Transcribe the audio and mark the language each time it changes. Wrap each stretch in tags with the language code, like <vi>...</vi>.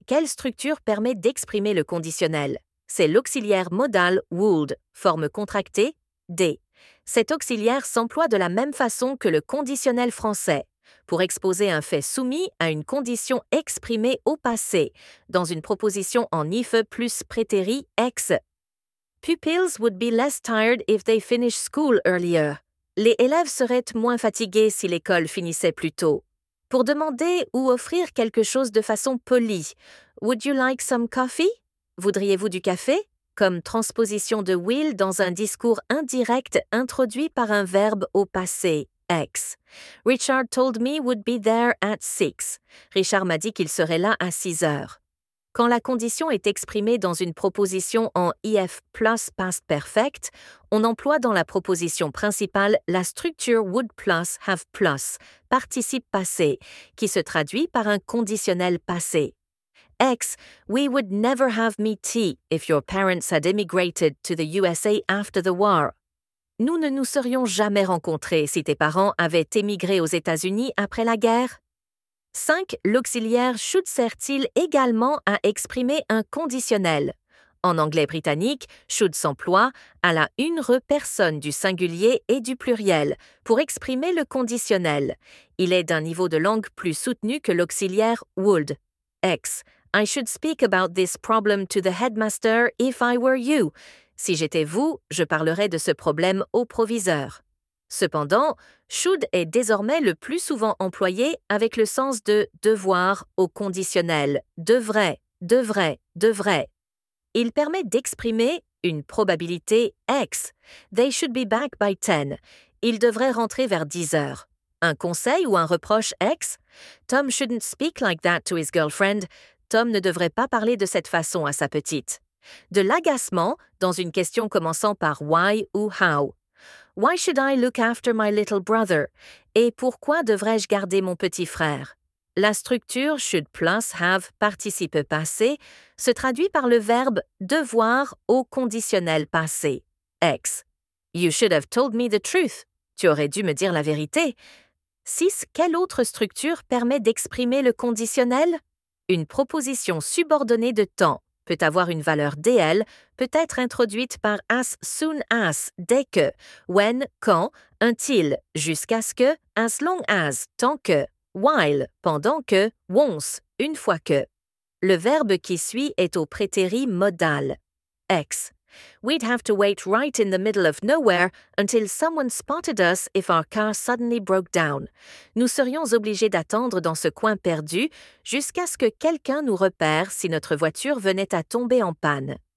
<fr>Quelle structure permet d'exprimer le conditionnel? C'est l'auxiliaire modal would, forme contractée, D. Cet auxiliaire s'emploie de la même façon que le conditionnel français. Pour exposer un fait soumis à une condition exprimée au passé, dans une proposition en if plus prétérit, ex.</fr> <en>Pupils would be less tired if they finished school earlier.</en> <fr>Les élèves seraient moins fatigués si l'école finissait plus tôt. Pour demander ou offrir quelque chose de façon polie,</fr> <en>would you like some coffee?</en> <fr>Voudriez-vous du café? Comme transposition de will dans un discours indirect introduit par un verbe au passé, ex.</fr> <en>Richard told me would be there at 6.</en> <fr>Richard m'a dit qu'il serait là à 6 heures. Quand la condition est exprimée dans une proposition en IF plus past perfect, on emploie dans la proposition principale la structure would plus have plus, participe passé, qui se traduit par un conditionnel passé.</fr> <en>Ex, we would never have me tea if your parents had immigrated to the USA after the war.</en> <fr>Nous ne nous serions jamais rencontrés si tes parents avaient émigré aux États-Unis après la guerre. 5. L'auxiliaire « should » sert-il également à exprimer un conditionnel? En anglais britannique, « should » s'emploie à la une personne du singulier et du pluriel pour exprimer le conditionnel. Il est d'un niveau de langue plus soutenu que l'auxiliaire « would ».</fr> <en>Ex. I should speak about this problem to the headmaster if I were you.</en> <fr>Si j'étais vous, je parlerais de ce problème au proviseur. Cependant, should est désormais le plus souvent employé avec le sens de devoir au conditionnel, devrait, devrait, devrait. Il permet d'exprimer une probabilité X,</fr> <en>they should be back by 10,</en> <fr>ils devraient rentrer vers 10 heures. Un conseil ou un reproche X?</fr> <en>Tom shouldn't speak like that to his girlfriend.</en> <fr>Tom ne devrait pas parler de cette façon à sa petite. De l'agacement dans une question commençant par why ou how.</fr> <en>Why should I look after my little brother?</en> <fr>Et pourquoi devrais-je garder mon petit frère? La structure should plus have participe passé se traduit par le verbe devoir au conditionnel passé. X.</fr> <en>You should have told me the truth.</en> <fr>Tu aurais dû me dire la vérité.</fr> <en>6.</en> <fr>Quelle autre structure permet d'exprimer le conditionnel? Une proposition subordonnée de temps peut avoir une valeur DL, peut être introduite par</fr> <en>as soon as,</en> <fr>dès que, when, quand, until, jusqu'à ce que,</fr> <en>as long as,</en> <fr>tant que, while, pendant que, once, une fois que. Le verbe qui suit est au prétérit modal. X.</fr> <en>We'd have to wait right in the middle of nowhere until someone spotted us if our car suddenly broke down.</en> <fr>Nous serions obligés d'attendre dans ce coin perdu jusqu'à ce que quelqu'un nous repère si notre voiture venait à tomber en panne.</fr>